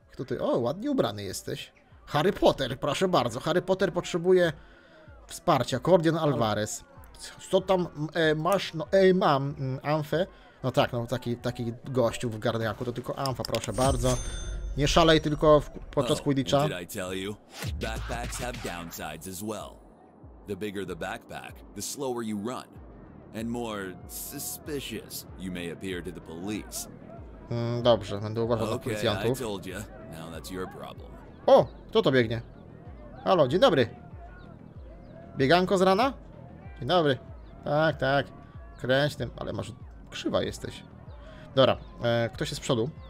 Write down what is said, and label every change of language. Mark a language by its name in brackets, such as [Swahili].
[Polish] Kto ty? O, ładnie ubrany jesteś. Harry Potter, proszę bardzo. Harry Potter potrzebuje wsparcia. Cordian Alvarez. Co tam masz? No, mam. Amfę. No tak, no taki gościu w garniaku. To tylko Amfa, proszę bardzo. Nie szalej tylko podczas Quidditcha. [English] Did I tell you? Backpacks have downsides as well. The bigger the backpack, the slower you run. And more suspicious you may appear to the police. [Polish] Dobrze, będę uważał na policjantów. [English] Okay, I told you. Now that's your problem. [Polish] O, kto to biegnie? Halo, dzień dobry. Bieganko z rana? Dzień dobry. Tak, tak. Kręć tym, ale masz krzywa jesteś. Dobra, ktoś jest z przodu.